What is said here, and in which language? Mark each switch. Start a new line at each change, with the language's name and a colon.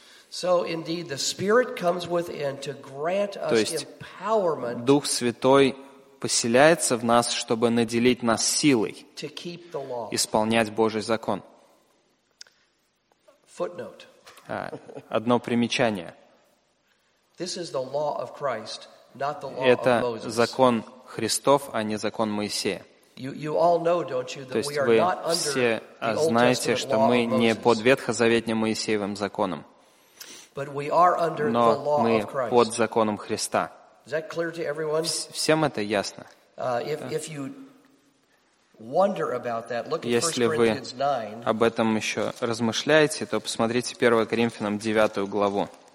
English: So indeed, the Spirit comes within to grant us empowerment.
Russian: Дух Святой поселяется в нас, чтобы наделить нас силой исполнять Божий закон.
English: Footnote.
Russian: Одно примечание.
English: This is the law of Christ, not the law of Moses.
Russian: Это закон Христов, а не закон Моисея.
English: You all know, don't you, that we are not under the Old Testament law of Moses.
Russian: То есть вы все знаете, что мы не под ветхозаветным Моисеевым законом.
English: But we are under
Russian: Но
English: the law
Russian: мы
English: of Christ.
Russian: Под законом Христа.
English: Is that clear to everyone?
Russian: Всем это ясно?
English: If you wonder about that, look at 1 Corinthians 9.
Russian: Если вы об этом еще размышляете, то посмотрите 1 Коринфянам 9 главу.